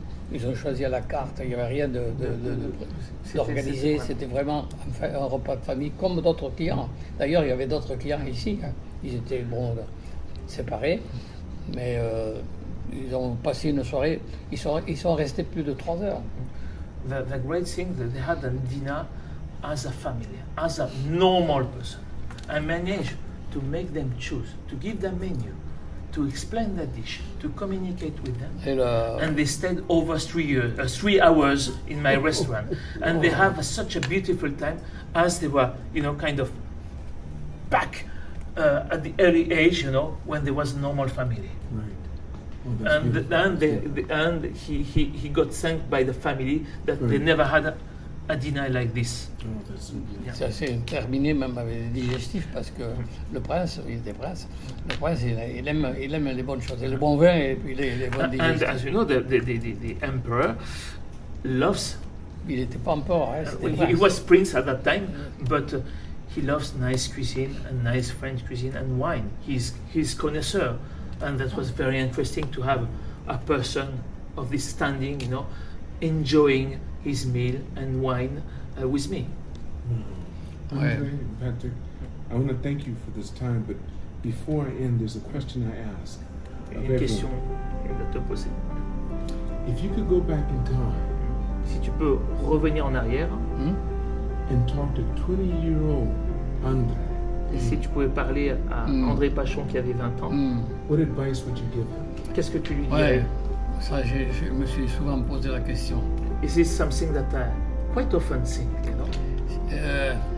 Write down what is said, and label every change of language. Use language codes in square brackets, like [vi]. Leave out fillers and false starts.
[fr] Ils ont choisi à la carte. Il n'y avait rien d'organisé. C'était vraiment un repas de famille comme d'autres clients. D'ailleurs, il y avait d'autres clients ici. Ils étaient séparés, mais ils ont passé une soirée. Ils sont restés plus de 3 heures. [en] The great thing that they had a dinner as a family, as a normal person. I managed to make them choose, to give them menu, to explain the dish, to communicate with them. And they stayed over 3 hours in my restaurant. And they have such a beautiful time as they were, you know, kind of back at the early age, you know, when there was a normal family. Right. Well, and he got thanked by the family that right. They never had a dinner like this. [fr] Ça s'est terminé même avec les digestifs parce que le prince, il était prince. Le prince, il aime les bonnes choses, le bon vin et puis les bons digestifs. [en] And as you know, the emperor loves. [fr] Il était pas empereur. [en] He was prince at that time, but he loves nice cuisine and nice French cuisine and wine. He's connoisseur, and that was very interesting to have a person of this standing, you know, enjoying his meal and wine with me. Mm-hmm. Patrick, I want to thank you for this time, but before I end, there's a question I ask. [fr] Une question à te poser. [en] If you could go back in time, [fr] si tu peux revenir en arrière, [en] and talk to 20-year-old André, [fr] et si tu pouvais parler à André Pachon qui avait 20 ans, [en] what advice would you give him? [fr] Qu'est-ce que tu lui dirais? Ça, je me suis souvent posé la question. [en] Is this something that I quite often think, you know?